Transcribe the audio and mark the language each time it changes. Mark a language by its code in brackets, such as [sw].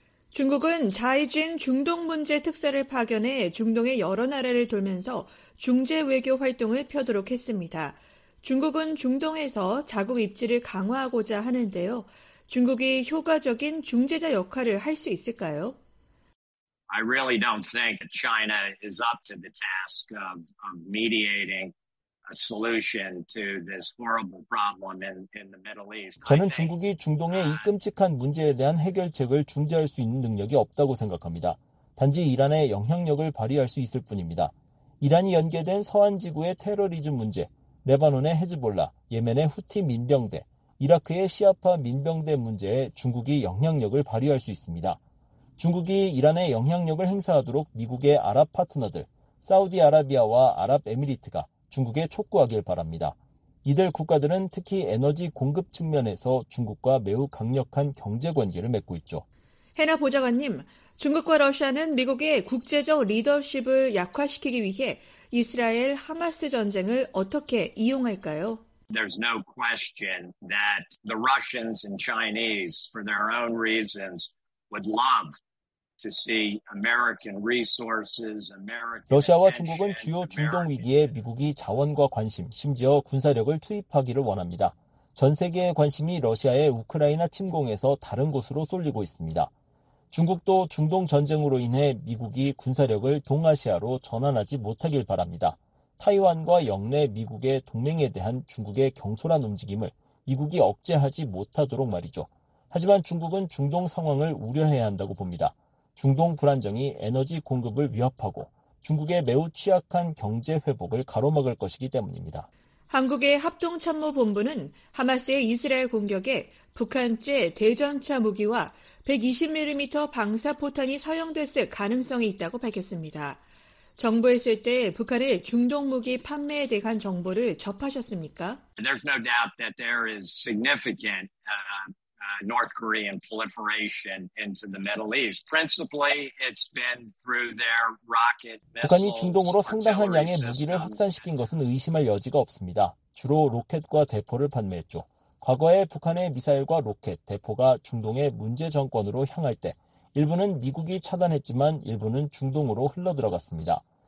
[ko] 중국은 자이쥔 중동문제특사를 파견해 중동의 여러 나라를 돌면서 중재외교 활동을 펴도록 했습니다. 중국은 중동에서 자국 입지를 강화하고자 하는데요. 중국이 효과적인 중재자 역할을 할 수 있을까요? [en] I really don't think China is up to the task of mediating a solution to this horrible problem in the Middle East. [ko] 저는 중국이 중동의 이 끔찍한 문제에 대한 해결책을 중재할 수 있는 능력이 없다고 생각합니다. 단지 이란의 영향력을 발휘할 수 있을 뿐입니다. 이란이 연계된 서안 지구의 테러리즘 문제, 레바논의 헤즈볼라, 예멘의 후티 민병대, 이라크의 시아파 민병대 문제에 중국이 영향력을 발휘할 수 있습니다. 중국이 이란에 영향력을 행사하도록 미국의 아랍 파트너들, 사우디아라비아와 아랍에미리트가 중국에 촉구하길 바랍니다. 이들 국가들은 특히 에너지 공급 측면에서 중국과 매우 강력한 경제 관계를 맺고 있죠. 해나 보좌관님, 중국과 러시아는 미국의 국제적 리더십을 약화시키기 위해 이스라엘 하마스 전쟁을 어떻게 이용할까요? [en] There's no question that the Russians and Chinese, for their own reasons, would love to see American resources, American. [ko] 러시아와 중국은 주요 중동 위기에 미국이 자원과 관심, 심지어 군사력을 투입하기를 원합니다. 전 세계의 관심이 러시아의 우크라이나 침공에서 다른 곳으로 쏠리고 있습니다. 중국도 중동 전쟁으로 인해 미국이 군사력을 동아시아로 전환하지 못하길 바랍니다. 타이완과 영내 미국의 동맹에 대한 중국의 경솔한 움직임을 미국이 억제하지 못하도록 말이죠. 하지만 중국은 중동 상황을 우려해야 한다고 봅니다. 중동 불안정이 에너지 공급을 위협하고 중국의 매우 취약한 경제 회복을 가로막을 것이기 때문입니다. 한국의 합동참모본부는 하마스의 이스라엘 공격에 북한제 대전차 무기와 120mm 방사포탄이 사용됐을 가능성이 있다고 밝혔습니다. 정부했을 때 북한의 중동 무기 판매에 대한 정보를 접하셨습니까? [en] There's no doubt that there is significant North Korean proliferation into the Middle East. Principally, it's been through their rocket missiles. [ko] 북한이 중동으로 상당한 양의 무기를 확산시킨 것은 의심할 여지가 없습니다. 주로 로켓과 대포를 판매했죠. 과거에 북한의 미사일과 로켓, 대포가 중동의 문제 정권으로 향할 때 일부는 미국이 차단했지만 일부는 중동으로 흘러들어갔습니다.